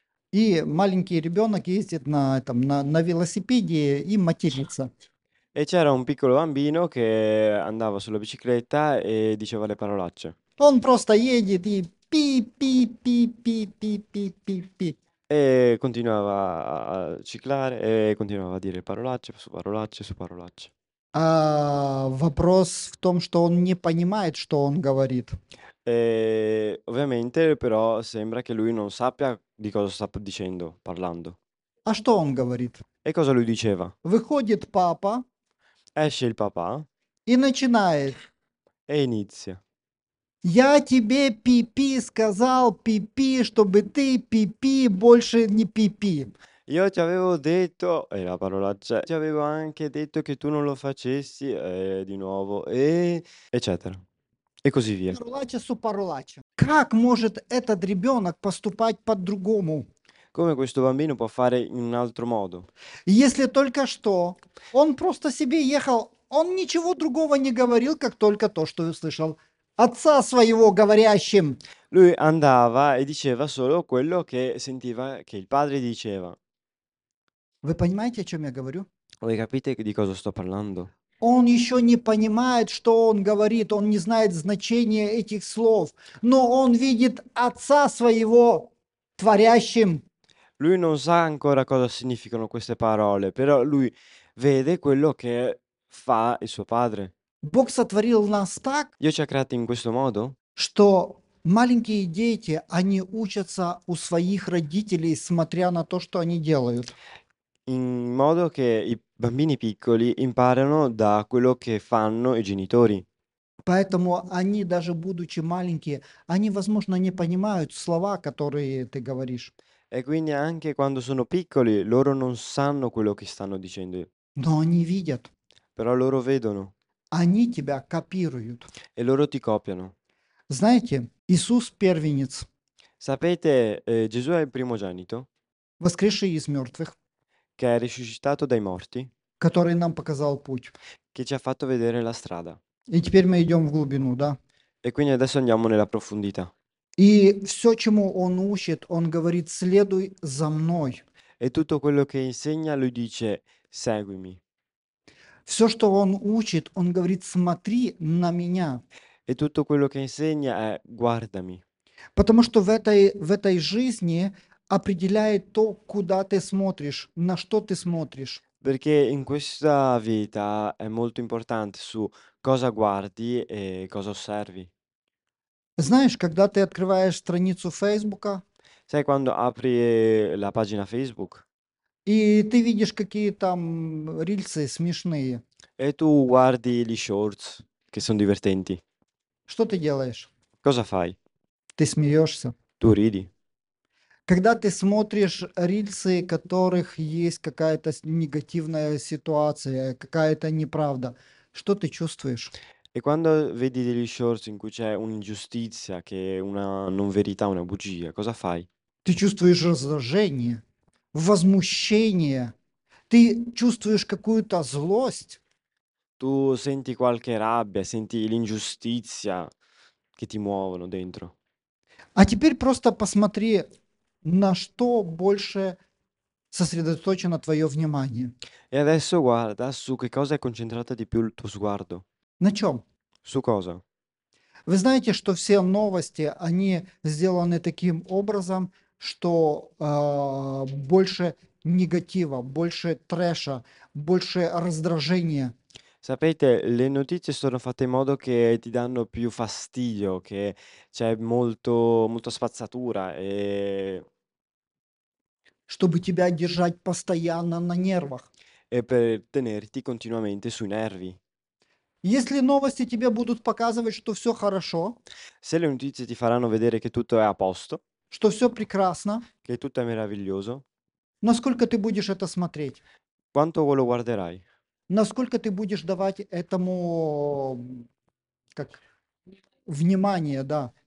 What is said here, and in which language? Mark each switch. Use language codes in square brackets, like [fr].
[ru] и маленький ребенок ездит на велосипеде и матерится. [it] E c'era un piccolo bambino che andava sulla bicicletta e diceva le parolacce. [ru] Он просто едет и пи пи пи пи пи пи пи пи. [it] E continuava a ciclare e continuava a dire parolacce su parolacce su parolacce. [ru] Вопрос в том, что он не понимает, что он говорит. [it] E ovviamente, però, sembra che lui non sappia di cosa sta dicendo, parlando. [ru] А что он говорит? [it] E cosa lui diceva? [ru] Выходит папа [it] Esce il papà [ru] и начинает. [it] e inizia. [ru] Я тебе пипи сказал, пипи, чтобы ты пипи, больше не пипи. [it] Io ti avevo detto, e la parolaccia, ti avevo anche detto che tu non lo facessi, di nuovo, eccetera. E così via. Parolaccia su parolaccia. [ru] Как может этот ребенок поступать по-другому? [it] Come questo bambino può fare in un altro modo? [ru] Если только что он просто себе ехал, он ничего другого не говорил, как только то, что услышал отца своего говорящим. [it] Lui andava e diceva solo quello che sentiva che il padre diceva. [ru] Вы понимаете, о чем я говорю? Вы [it] capite di cosa sto parlando? [ru] Он еще не понимает, что он говорит, он не знает значения этих слов, но он видит отца своего творящим. [it] Lui non sa ancora cosa significano queste parole, però lui vede quello che fa il suo padre. [ru] Бог сотворил нас так, [it] Dio ci ha creati in questo modo? [ru] что маленькие дети, они учатся у своих родителей, смотря на то, что они делают. [it] In modo che i bambini piccoli imparano da quello che fanno i genitori. [ru] Поэтому они, даже будучи маленькие, они, возможно, не понимают слова, которые ты говоришь. [it] E quindi anche quando sono piccoli, loro non sanno quello che stanno dicendo. [ru] Но они видят. [it] Però loro vedono. [ru] Они тебя копируют. [it] E loro ti copiano. [ru] Знаете, Иисус первенец. [it] Sapete, Gesù è il primogenito, [ru] воскресший из мертвых. [it] Che è risuscitato dai morti. [ru] Который нам показал путь. [it] Che ci ha fatto vedere la strada. [ru] И теперь мы идем в глубину, да? [it] E quindi adesso andiamo nella profondità. [ru] И все, чему он учит, он говорит, следуй за мной. [it] E tutto quello che insegna, lui dice, seguimi. [ru] Все, что он учит, он говорит, смотри на меня. [it] E tutto quello che insegna è guardami. [ru] Потому что в этой жизни определяет то, куда ты смотришь, на что ты смотришь. [it] Perché in questa vita è molto importante su cosa guardi e cosa osservi. [ru] Знаешь, когда ты открываешь страницу Фейсбука, [it] Sai quando apri la pagina Facebook? [ru] И ты видишь, какие там рильсы смешные. [it] E tu guardi gli shorts, che sono divertenti. [ru] Что ты делаешь? [it] Cosa fai? [ru] Ты смеешься. [it] Tu ridi. [ru] Когда ты смотришь рильсы, в которых есть какая-то негативная ситуация, какая-то неправда, что ты чувствуешь? [it] E quando vedi degli shorts in cui c'è un'ingiustizia, che è una non verità, una bugia, cosa fai? [ru] Ты чувствуешь раздражение, возмущение, ты чувствуешь какую-то злость? [it] Tu senti qualche rabbia, senti l'ingiustizia che ti muovono dentro. [ru] А теперь просто посмотри, на что больше сосредоточено твое внимание. [it] E adesso guarda su che cosa è concentrata di più il tuo sguardo. [ru] На чем? [it] Su cosa? [ru] Вы знаете, что все новости, они сделаны таким образом, что больше негатива, больше трэша, больше раздражения. [it] Sapete, le notizie sono fatte in modo che ti danno più fastidio, che c'è molto, molto spazzatura e... [ru] Чтобы тебя держать постоянно на нервах. [it] E per tenerti continuamente sui nervi. [ru] Если новости тебе будут показывать, что все хорошо, [it] Se le notizie ti faranno vedere che tutto è a posto, [ru] что все прекрасно, [it] che tutto è meraviglioso, [ru] насколько ты будешь это смотреть? [it] Quanto lo guarderai? [ru] Насколько ты будешь давать этому как, внимание, да?